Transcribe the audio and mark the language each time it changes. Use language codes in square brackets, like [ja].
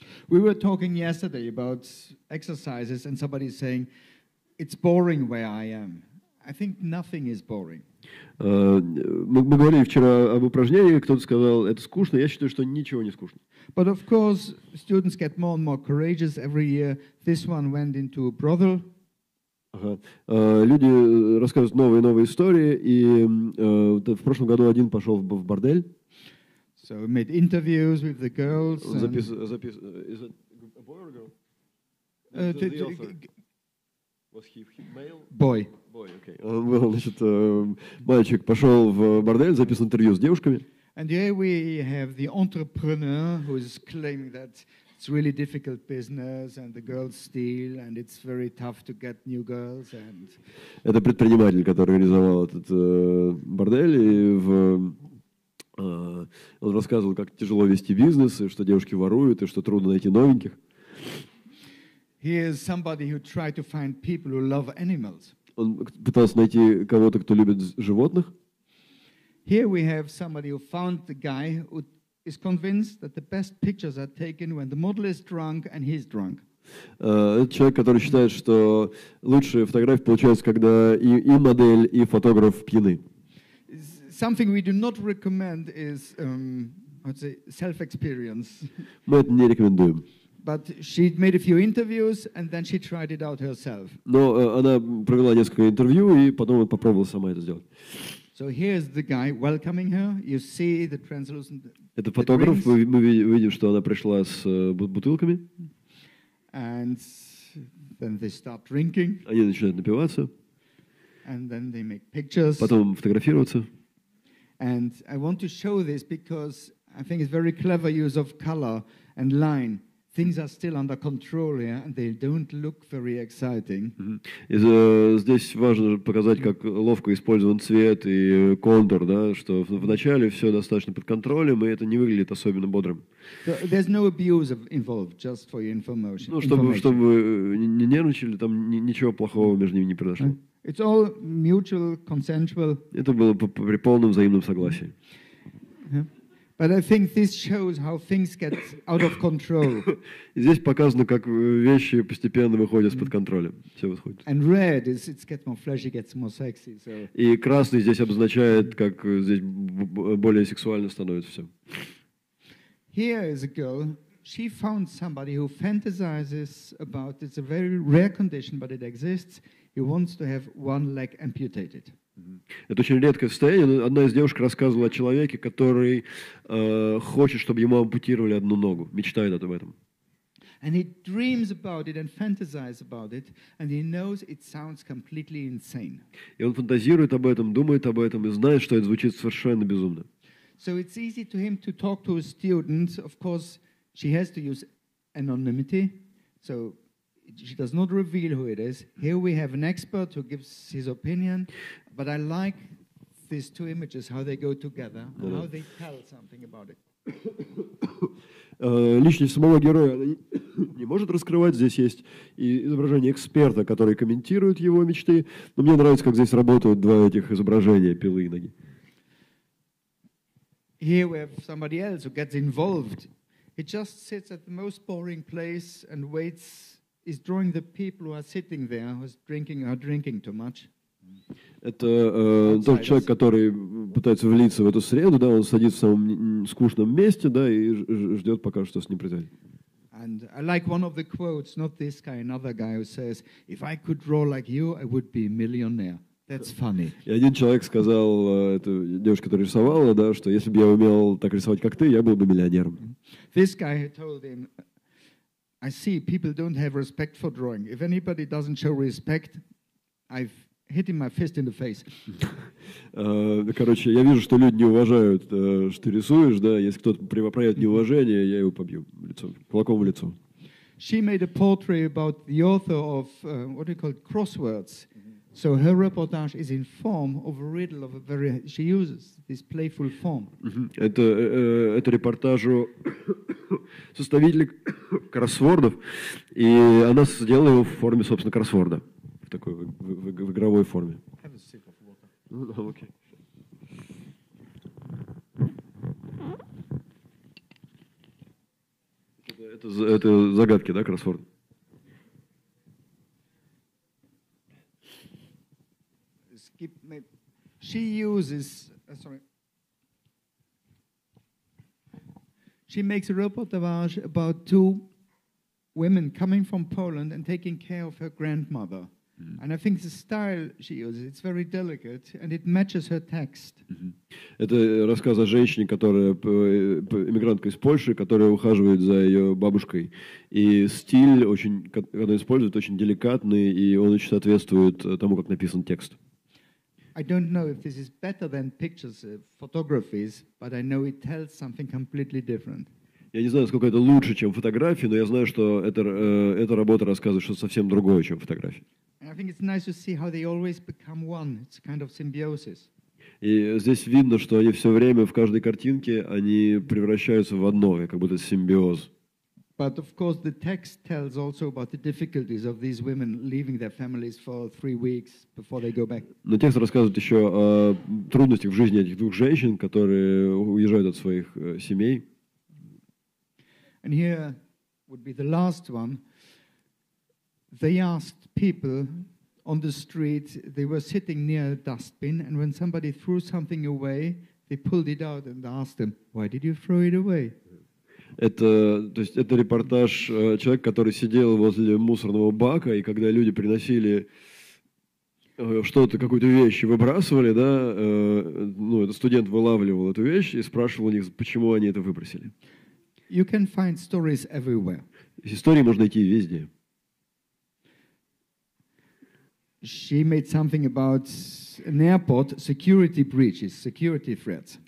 [en] We were talking yesterday about exercises, and somebody is saying, "It's boring where I am." I think nothing is boring. [ru] Мы говорили вчера об упражнениях, кто-то сказал, это скучно. Я считаю, что ничего не скучно. [en] But of course, students get more and more courageous every year. This one went into a brothel. Ага. [ru] Люди рассказывают новые и новые истории, и в прошлом году один пошел в бордель. [en] So we made interviews with the girls. Is it a boy or a girl? Was he male? Boy. Boy, okay. [ru] Он был, значит, мальчик пошел в бордель, записал интервью с девушками. [en] And here we have the entrepreneur who is claiming that it's really difficult business and the girls steal and it's very tough to get new girls. And [ru] это предприниматель, который организовал этот бордель, и в он рассказывал, как тяжело вести бизнес, и что девушки воруют, и что трудно найти новеньких. [en] Here's somebody who tried to find people who love animals. [ru] Он пытался найти кого-то, кто любит животных. [en] Here we have somebody who found the guy who is convinced that the best pictures are taken when the model is drunk and he's drunk. [ru] Человек, который считает, что лучшие фотографии получаются, когда и модель, и фотограф пьяны. [en] Something we do not recommend is, I'd say, self-experience. [ru] Мы это не рекомендуем. [en] But she made a few interviews and then she tried it out herself. [ru] Но она провела несколько интервью и потом попробовала сама это сделать. [en] So here's the guy welcoming her. You see the translucent. [ru] Это фотограф. Мы видим, что она пришла с бутылками. [en] And then they start drinking. [ru] Они начинают напиваться. [en] And then they make pictures. [ru] Потом фотографироваться. [en] And I want to show this because I think it's very clever use of color and line. Things are still under control here, and they don't look very exciting. [ru] И здесь важно показать, как ловко использован цвет и контур, да, что вначале все достаточно под контролем, и это не выглядит особенно бодрым. [en] There's no abuse involved, just for your information. [ru] Ну, чтобы не нервничали, там ничего плохого между ними не произошло. [en] It's all mutual, consensual. [ru] Это было при полном взаимном согласии. [en] But I think this shows how things get out of control. [ru] Здесь показано, как вещи постепенно выходят из-под контроля. Все выходит. [en] And red is it gets more flashy, gets more sexy. So. [ru] И красный здесь обозначает, как здесь более сексуально становится все. [en] Here is a girl. She found somebody who fantasizes about. It's a very rare condition, but it exists. He wants to have one leg amputated. [ru] Это очень редкое состояние. Одна из девушек рассказывала о человеке, который хочет, чтобы ему ампутировали одну ногу. Мечтает об этом. [en] And he dreams about it and fantasizes about it, and he knows it sounds completely insane. [ru] И он фантазирует об этом, думает об этом и знает, что это звучит совершенно безумно. [en] So it's easy to him to talk to his students. Of course, she has to use anonymity. So she does not reveal who it is. Here we have an expert who gives his opinion. But I like these two images, how they go together, and how they tell something about it. [ru] Личность самого героя не может раскрывать. Здесь есть изображение эксперта, который комментирует его мечты. Но мне нравится, как здесь работают два этих изображения, пилы и ноги. [en] Here we have somebody else who gets involved. He just sits at the most boring place and waits, is drawing the people who are sitting there, who's drinking, are drinking too much. [ru] Это тот человек, который пытается влиться в эту среду, да, он садится в самом скучном месте, да, и ждет пока, что с ним произойдет. [en] And I like one of the quotes, not this guy, another guy who says, if I could draw like you, I would be a millionaire. That's funny. [ru] И один человек сказал, это девушка, которая рисовала, да, что если бы я умел так рисовать, как ты, я был бы миллионером. [en] This guy told him, I see people don't have respect for drawing. If anybody doesn't show respect, I've hitting my fist in the face. [ru] Короче, я вижу, что люди не уважают, что ты рисуешь, да, если кто-то проявит неуважение, я его побью лицом, кулаком в лицо. [en] She made a portrait about the author of, what do you call it, crosswords. So her reportage is in form of a riddle of a very, she uses this playful form. [ru] Это репортаж у составителя кроссвордов, и она сделала его в форме, собственно, кроссворда. Такой в игровой форме. [en] Have a sip of water. Okay. [ru] Это загадки, да, кроссворд? [en] Skip me. She uses, sorry. She makes a reportage about two women coming from Poland and taking care of her grandmother. And I think the style she uses, it's very delicate, and it matches her text. [ru] Это рассказ о женщине, которая эмигрантка из Польши, которая ухаживает за ее бабушкой. И стиль, очень, когда использует, очень деликатный, и он очень соответствует тому, как написан текст. [en] I don't know if this is better than pictures, photographs, but I know it tells something completely different. [ru] Я не знаю, сколько это лучше, чем фотографии, но я знаю, что эта работа рассказывает что-то совсем другое, чем фотографии. [en] And I think it's nice to see how they always become one. It's a kind of symbiosis. [ru] И здесь видно, что они все время в каждой картинке они превращаются в одно, как будто симбиоз. [en] But of course, the text tells also about the difficulties of these women leaving their families for 3 weeks before they go back. [ru] Но текст рассказывает еще о трудностях в жизни этих двух женщин, которые уезжают от своих семей. [en] And here would be the last one. They asked people on the street. They were sitting near a dustbin, and when somebody threw something away, they pulled it out and asked them, "Why did you throw it away?" [ru] Это, то есть, это репортаж человека, который сидел возле мусорного бака, и когда люди приносили что-то, какую-то вещь, выбрасывали, да, ну, этот студент вылавливал эту вещь и спрашивал у них, почему они это выбросили. [en] You can find stories everywhere. [ru] Истории можно найти везде. [en] She made something about an airport security breaches, security threats.